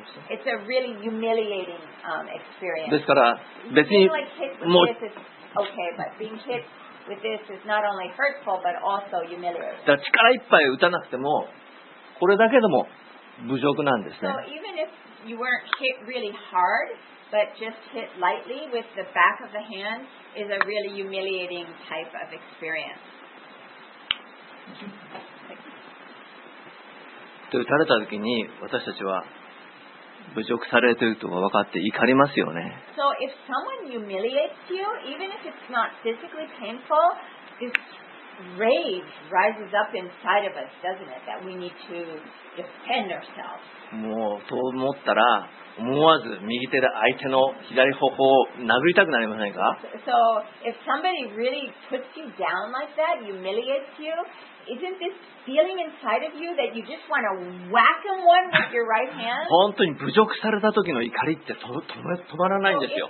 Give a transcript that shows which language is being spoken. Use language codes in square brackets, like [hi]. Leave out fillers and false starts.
[en] It's a really humiliating experience. [ja] ですから別に [en] being like hit with this is okay, but being hit with this is not only hurtful but also humiliating. [ja] だから力いっぱい打たなくてもこれだけでも侮辱なんですね。 [en] So even if you weren't hit really hard. But just hit lightly with the back of the hand is a really humiliating type of experience. [ja] と打たれた時に私たちは侮辱されてるとは分かって怒りますよね。 [en] So if someone humiliates you, even if it's not physically painful, this rage rises up inside of us, doesn't it? That we need to defend ourselves. [ja] もうそう思ったら。思わず右手で相手の左頬を殴りたくなりませんか？ [en] So, if somebody really puts you down like that, humiliates you, isn't this feeling inside of you that you just want to whack them one with your right hand? [ja] 本当に侮辱された時の怒りって止まらないんですよ。